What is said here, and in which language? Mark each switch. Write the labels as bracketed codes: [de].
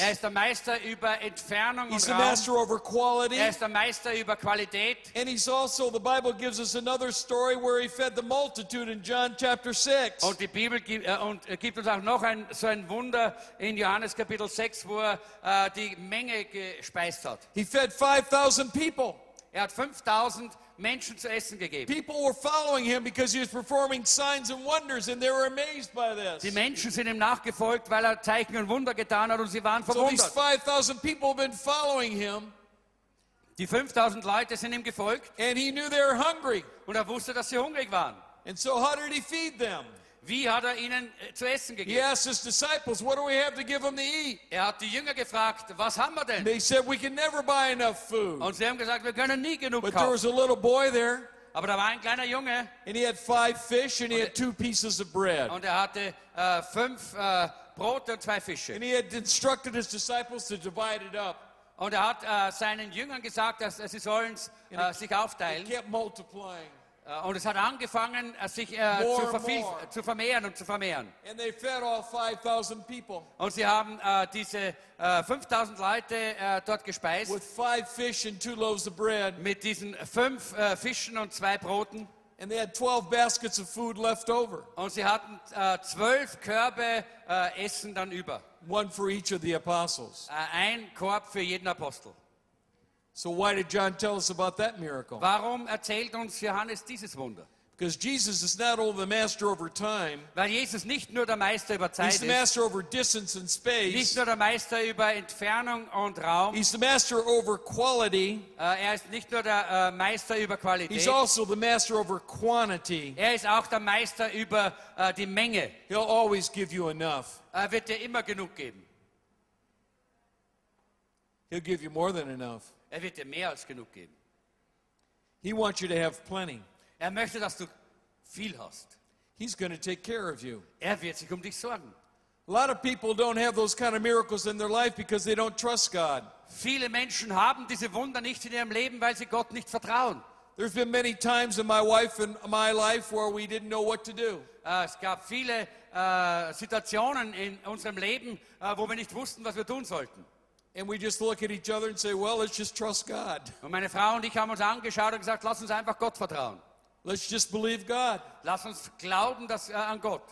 [de] Er ist der Meister über Entfernung [en] He's [de] und [en] the [de] Raum. [en] Master over quality. [de] Er ist der Meister über Qualität. [en] And he's also, the Bible gives us another story where he fed the multitude in John chapter 6. [de] Und die Bibel gibt uns auch noch ein Wunder in Johannes Kapitel 6, wo er die Menge gespeist hat. [en] He fed 5,000 people. [de] Er hat 5,000 Menschen zu essen gegeben. [en] People were following him because he was performing signs and wonders, and they were amazed by this. [de] Die Menschen sind ihm nachgefolgt, weil er Zeichen und Wunder getan hat, und sie waren verwundert. [en] So these 5,000 people have been following him. [de] Die 5,000 Leute sind ihm gefolgt. [en] And he knew they were hungry. [de] Und er wusste, dass sie hungrig waren. [en] And so how did he feed them? [de] Wie hat er ihnen zu essen gegeben? [en] He asked his disciples, "What do we have to give them to eat?" [de] Er hat die Jünger gefragt, was haben wir denn? [en] They said, "We can never buy enough food." [de] Und sie haben gesagt, wir können nie genug [en] But [de] kaufen. [en] There was a little boy there. [de] Aber da war ein kleiner Junge. [en] And he had five fish and he had two pieces of bread. [de] Und er hatte fünf Brote und zwei Fische. [en] And he had instructed his disciples to divide it up. [de] Und er hat seinen Jüngern gesagt, dass sie sollen sich aufteilen. [en] It kept multiplying. [de] Und es hat angefangen, sich zu vermehren und zu vermehren. [en] And they fed all 5,000 people. [de] Und sie haben diese 5,000 Leute dort gespeist. [en] With five fish and two loaves of bread. [de] Mit diesen fünf Fischen und zwei Broten. [en] And they had 12 baskets of food left over. [de] Und sie hatten 12 Körbe Essen dann über. [en] One for each of the apostles. [de] Ein Korb für jeden Apostel. [en] So why did John tell us about that miracle? [de] Warum erzählt uns Johannes dieses Wunder? [en] Because Jesus is not only the master over time. [de] Weil Jesus nicht nur der Meister über Zeit ist. [en] He's the master over distance and space. [de] Nicht nur der Meister über Entfernung und Raum. [en] He's the master over quality. [de] Er ist nicht nur der Meister über Qualität. [en] He's also the master over quantity. [de] Er ist auch der Meister über die Menge. [en] He'll always give you enough. [de] Er wird dir immer genug geben. [en] He'll give you more than enough. [de] Er wird dir mehr als genug geben. [en] He wants you to have plenty. [de] Er möchte, dass du viel hast. [en] He's going to take care of you. [de] Er wird sich dich sorgen. [en] A lot of people don't have those kind of miracles in their life because they don't trust God. [de] Viele Menschen haben diese Wunder nicht in ihrem Leben, weil sie Gott nicht vertrauen. [en] There's been many times in my wife and my life where we didn't know what to do. [de] Es gab viele Situationen in unserem Leben, wo wir nicht wussten, was wir tun sollten. [en] And we just look at each other and say, "Well, let's just trust God." [de] Und meine Frau und ich haben uns angeschaut und gesagt, lass uns einfach Gott vertrauen. [en] Let's just believe God. [de] Lass uns glauben, dass an Gott.